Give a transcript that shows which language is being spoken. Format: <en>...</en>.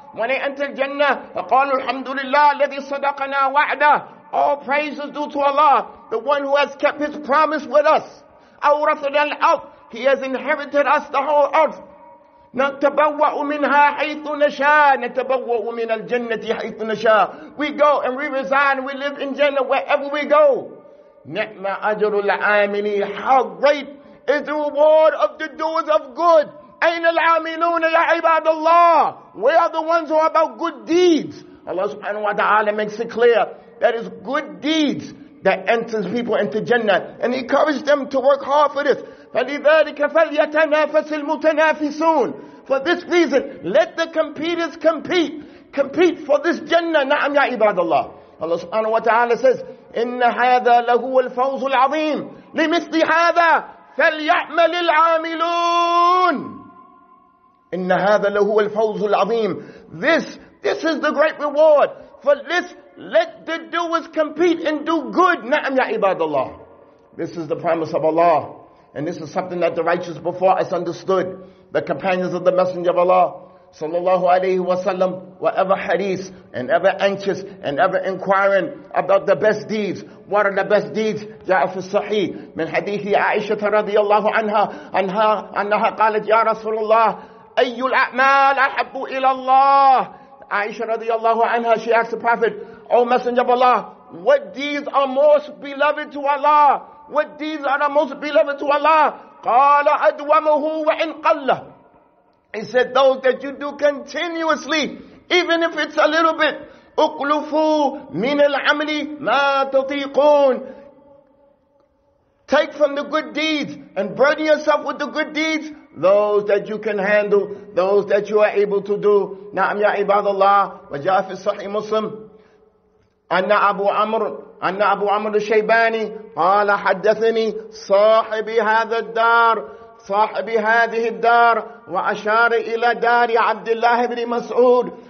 <en>When they enter Jannah,</en> <ar>فقالوا الحمد لله الذي صدقنا وعده.</ar> <en>All praise is due to Allah, the one who has kept his promise with us.</en> <ar>أورثنا الأرض.</ar> <en>He has inherited us the whole earth.</en> <ar>نتبوأ منها حيث نشاء. نتبوأ من الجنة حيث نشاء.</ar> <en>We go and we reside, we live in Jannah wherever we go.</en> <ar>نعم أجر العاملين.</ar> <en>How great is the reward of the doers of good.</en> <ar>أين العاملون يا عباد الله.</ar> <en>We are the ones who are about good deeds. Allah subhanahu wa ta'ala makes it clear that it's good deeds that enters people into Jannah. And He encouraged them to work hard for this.</en> <ar>فَلِذَلِكَ فَلْيَتَنَافَسِ الْمُتَنَافِسُونَ.</ar> <en>For this reason, let the competitors compete. Compete for this Jannah.</en> <ar>نعم يا عباد الله.</ar> <en>Allah subhanahu wa ta'ala says,</en> <ar>إِنَّ هَذَا لَهُوَ الْفَوْزُ الْعَظِيمُ لِمِثْلِ هَذَا فليعمل العاملون. إن هذا لهو الفوز العظيم.</ar> <en>This is the great reward. For this, let the doers compete and do good.</en> <ar>نعم يا عباد الله.</ar> <en>This is the promise of Allah. And this is something that the righteous before us understood. The companions of the Messenger of Allah, sallallahu alayhi wa sallam, were ever hadith and ever anxious and ever inquiring about the best deeds. What are the best deeds?</en> <ar>جاء في الصحيح من حديث عائشة رضي الله عنها أنها قالت يا رسول الله أي الأعمال أحب إلى الله. عائشة رضي الله عنها,</ar> <en>she asked the Prophet, O Messenger of Allah, what deeds are most beloved to Allah? What deeds are the most beloved to Allah?</en> <ar>قال أدومه وإن قل.</ar> <en>He said, those that you do continuously, even if it's a little bit.</en> <ar>أُقْلُفُوا مِنَ الْعَمْلِ مَا تَطِيقُونَ.</ar> <en>Take from the good deeds and burden yourself with the good deeds, those that you can handle, those that you are able to do.</en> <ar>نعم يا عباد الله. وجاء في صحيح مسلم أن أبو عمر الشيباني قال حدثني صاحب هذا الدار صاحب هذه الدار وأشار إلى دار عبد الله بن مسعود.</ar>